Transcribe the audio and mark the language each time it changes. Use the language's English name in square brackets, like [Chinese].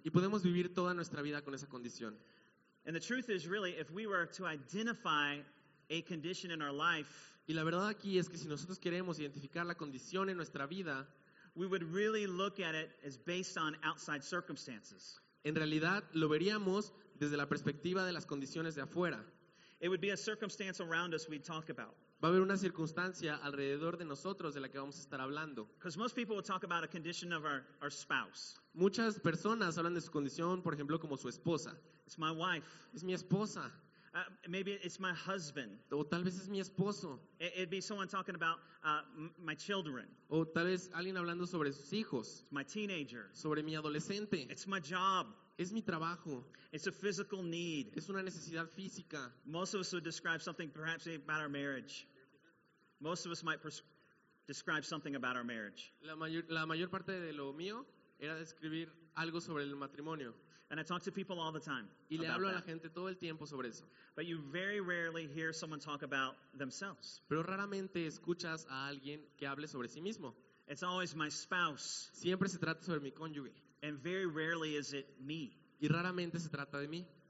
[Spanish] Y podemos vivir toda nuestra vida con esa condición. [English] And the truth is really, if we were to identify a condition in our life, [Spanish] y la verdad aquí es que si nosotros queremos identificar la condición en nuestra vida, [English] we would really look at it as based on outside circumstances. [Spanish] En realidad lo veríamos desde la perspectiva de las condiciones de afuera. [English] It would be a circumstance around us we'd talk about. [Spanish] Va a haber una circunstancia alrededor de nosotros de la que vamos a estar hablando. [English] Because most people will talk about a condition of our spouse. [Spanish] Muchas personas hablan de su condición, por ejemplo, como su esposa. [English] It's my wife. [Spanish] Es mi esposa. [English] Maybe it's my husband. [Spanish] O tal vez es mi esposo. [English] It'd be someone talking about my children. [Spanish] O tal vez alguien hablando sobre sus hijos. [English] It's my teenager. [Spanish] Sobre mi adolescente. [English] It's my job. [Spanish] Es mi trabajo. [English] It's a physical need. [Spanish] Es una necesidad física. [English] Most of us would describe something perhaps about our marriage. Most of us might describe something about our marriage. [Spanish] La mayor parte de lo mío era describir algo sobre el matrimonio. [English] And I talk to people all the time. [Spanish] Y le hablo a la gente todo el tiempo sobre eso. [English] But you very rarely hear someone talk about themselves. [Spanish] Pero raramente escuchas a alguien que hable sobre sí mismo. [English] It's always my spouse. [Spanish] Siempre se trata sobre mi cónyuge. [English] And very rarely is it me. [Spanish] Y raramente se trata de mí.